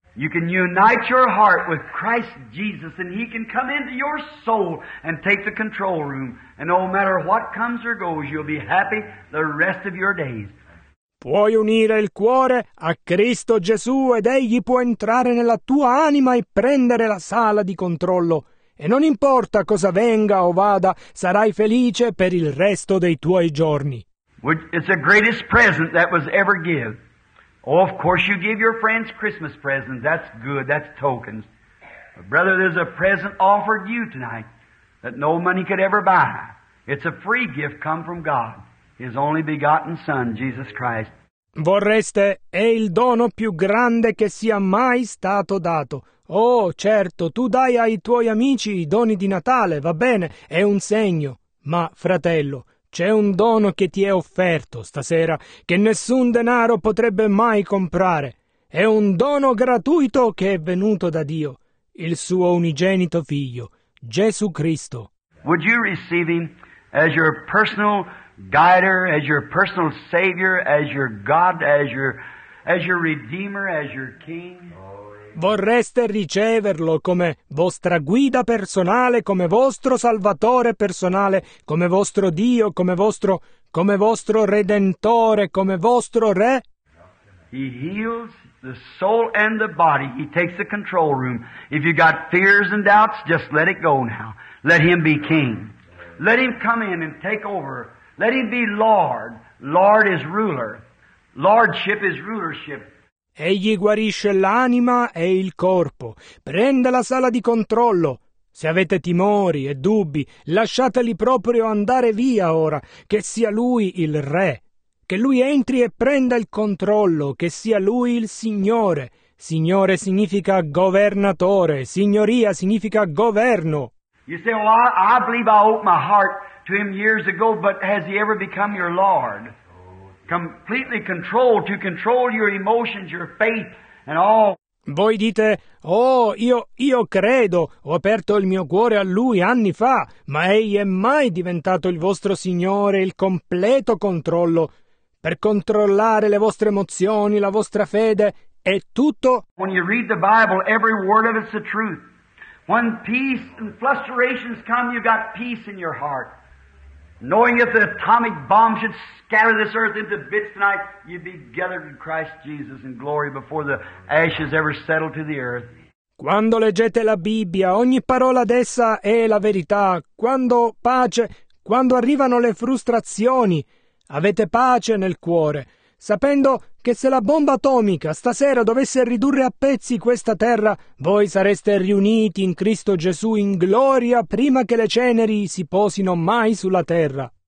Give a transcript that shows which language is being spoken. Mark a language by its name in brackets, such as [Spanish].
[English] You can unite your heart with Christ Jesus and He can come into your soul and take the control room. And no matter what comes or goes, you'll be happy the rest of your days. [Italian] Puoi unire il cuore a Cristo Gesù ed Egli può entrare nella tua anima e prendere la sala di controllo. E non importa cosa venga o vada, sarai felice per il resto dei tuoi giorni. [English] It's the greatest present that was ever given. Oh, of course you give your friends Christmas presents. That's good. That's tokens. But brother, there's a present offered you tonight that no money could ever buy. It's a free gift come from God, His only begotten Son, Jesus Christ. [Italian] Vorreste, è il dono più grande che sia mai stato dato. Oh, certo, tu dai ai tuoi amici i doni di Natale, va bene, è un segno. Ma, fratello, c'è un dono che ti è offerto stasera, che nessun denaro potrebbe mai comprare. È un dono gratuito che è venuto da Dio, il suo unigenito figlio, Gesù Cristo. [English] Would you receive Him as your personal guider, as your personal savior, as your God, as your redeemer, as your king? [Italian] Vorreste riceverlo come vostra guida personale, come vostro salvatore personale, come vostro Dio, come vostro redentore, come vostro re? [English] He heals the soul and the body. He takes the control room. If you got fears and doubts, just let it go now. Let Him be king. Let Him come in and take over. Let Him be Lord. Lord is ruler. Lordship is rulership. [Italian] Egli guarisce l'anima e il corpo. Prende la sala di controllo. Se avete timori e dubbi, lasciateli proprio andare via ora. Che sia Lui il Re. Che Lui entri e prenda il controllo. Che sia Lui il Signore. Signore significa governatore. Signoria significa governo. [English] You say, well, I believe I opened my heart to Him years ago, but has He ever become your Lord? Completely controlled, to control your emotions, your faith, and all. [Italian] Voi dite, oh, io credo, ho aperto il mio cuore a Lui anni fa, ma Egli è mai diventato il vostro Signore, il completo controllo, per controllare le vostre emozioni, la vostra fede, è tutto. [English] When you read the Bible, every word of it's the truth. When peace and frustrations come, you've got peace in your heart. Knowing if the atomic bomb should scatter this earth into bits tonight, you'd be gathered in Christ Jesus in glory before the ashes ever settled to the earth. [Italian] Quando leggete la Bibbia, ogni parola d'essa è la verità. Quando pace, quando arrivano le frustrazioni, avete pace nel cuore, sapendo che se la bomba atomica stasera dovesse ridurre a pezzi questa terra, voi sareste riuniti in Cristo Gesù in gloria prima che le ceneri si posino mai sulla terra.